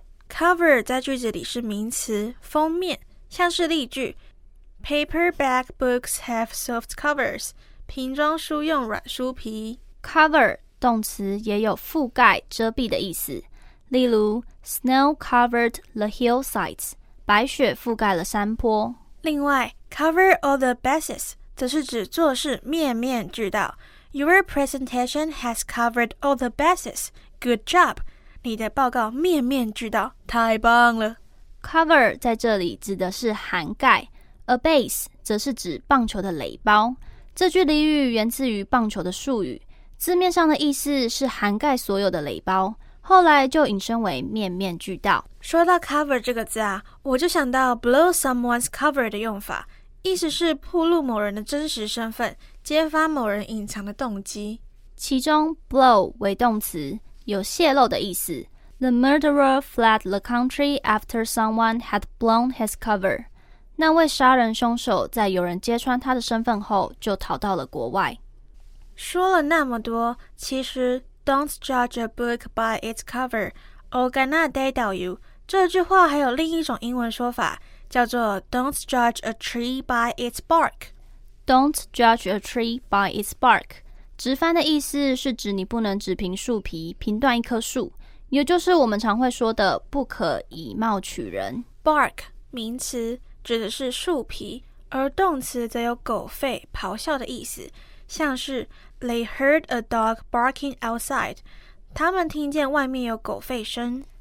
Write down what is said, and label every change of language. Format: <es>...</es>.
<zh>Cover 在句子里是名词，封面，像是例句</zh> <en>Paperback books have soft covers，</en> <zh>瓶装书用软书皮。 Cover 动词也有覆盖遮蔽的意思，例如</zh> <en>Snow covered the hillsides，</en> <zh>白雪覆盖了山坡。另外</zh> <en>cover all the bases</en> <zh>则是指做事面面俱到。</zh> <en>Your presentation has covered all the bases， good job，</en> <zh>你的报告面面俱到，太棒了。 cover 在这里指的是涵盖，</zh> <en>a base</en> <zh>则是指棒球的垒包。这句俚语源自于棒球的术语，字面上的意思是涵盖所有的垒包，后来就引申为面面俱到。说到 cover 这个字啊，我就想到</zh> <en>blow someone's cover</en> <zh>的用法，意思是暴露某人的真实身份，揭发某人隐藏的动机。其中 blow 为动词，有泄露的意思。</zh> <en>The murderer fled the country after someone had blown his cover，</en> <zh>那位杀人凶手在有人揭穿他的身份后就逃到了国外。说了那么多，其实</zh> <en>Don't judge a book by its cover，</en> <zh>Ogana day 导游这句话还有另一种英文说法，叫做</zh> <en>Don't judge a tree by its bark。 Don't judge a tree by its bark</en> <zh>直翻的意思是指你不能只凭树皮评断一棵树，也就是我们常会说的不可以貌取人。 Bark 名词指的是树皮，而动词则有狗吠咆哮的意思，像是</zh> <en>They heard a dog barking outside，</en> <zh>他们听见外面有狗吠声。</zh>